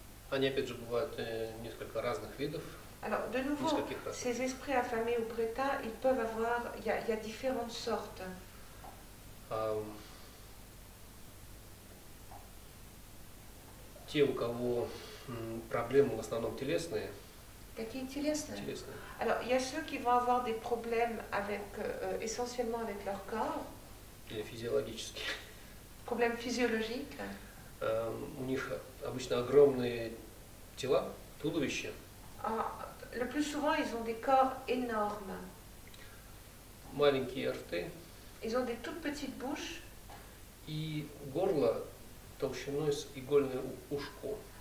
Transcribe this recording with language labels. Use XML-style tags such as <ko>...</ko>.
<ru>Они, опять же, бывают несколько разных видов.</ru> <fr>Alors, de nouveau, ces esprits affamés ou prêta, ils peuvent avoir, il y a différentes sortes.</fr> <ru>Те, у кого проблемы в основном телесные. Какие телесные?</ru> <fr>Alors, il y a ceux qui vont avoir des problèmes essentiellement avec leur corps.</fr> <ru>Или физиологические. Проблемы физиологические. У них обычно огромные тела, туловище.</ru> <fr>Le plus souvent, ils ont des corps énormes.</fr> <ru>Маленькие рты.</ru> <fr>Ils ont des toutes petites bouches.</fr> <ru>И горло толщиной с игольное ушко.</ru>